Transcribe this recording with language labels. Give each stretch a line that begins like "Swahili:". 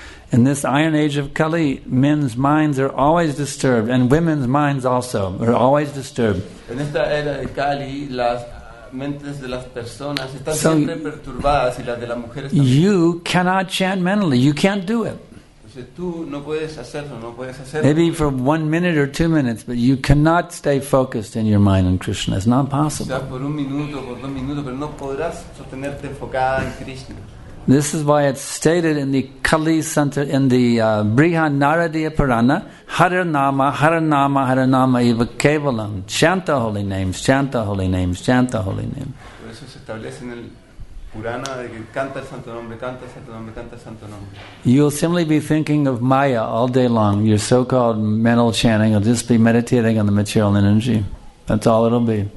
English: In this iron age of Kali, men's minds are always disturbed, and women's minds also are always disturbed.
Spanish: En esta era de Kali, las mentes de las personas están siempre perturbadas y las de las mujeres también.
English: You cannot chant mentally. You can't do it.
Spanish: Entonces, tú no puedes hacerlo, no puedes hacerlo.
English: Maybe for 1 minute or 2 minutes, but you cannot stay focused in your mind on Krishna. It's not possible.
Spanish: O sea, por un minuto, por 2 minutos, pero no podrás sostenerte enfocada en Krishna.
English: This is why it's stated in the Kali Santa, in the Brihadaranyaka Purana,
Sanskrit: Haranama, Haranama, Haranama, Eva Kevalam.
English: Chant the holy names, chant the holy names, chant the holy name.
Spanish: Por eso se establece en el Purana de que canta el santo nombre, canta el santo nombre, canta el santo nombre.
English: You'll simply be thinking of Maya all day long. Your so-called mental chanting will just be meditating on the material energy. That's all it'll be.